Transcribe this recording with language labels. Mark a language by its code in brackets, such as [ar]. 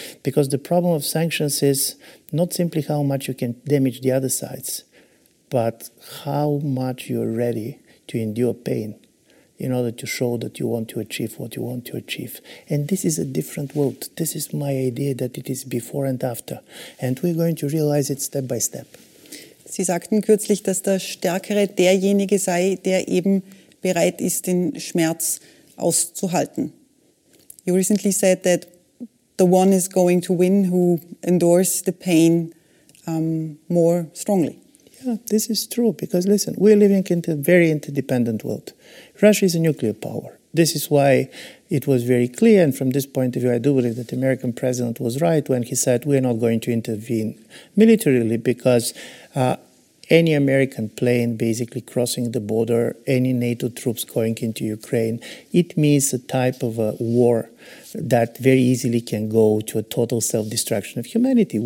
[en] Because the problem of sanctions is not simply how much you can damage the other sides, but how much you're ready to endure pain in order to show that you want to achieve what you want to achieve. And this is a different world. This is my idea that it is before and after. And we're going to realize it step by step. [de] Sie sagten kürzlich, dass der Stärkere derjenige sei, der eben bereit ist, den Schmerz auszuhalten. [en] You recently said that the one is going to win who endures the pain more strongly. Yeah, this is true, because listen, we're living in a very interdependent world. Russia is a nuclear power. This is why it was very clear, and from this point of view, I do believe that the American president was right when he said we're not going to intervene militarily, because any American plane basically crossing the border, any NATO troops going into Ukraine, it means a type of a war that very easily can go to a total self-destruction of humanity.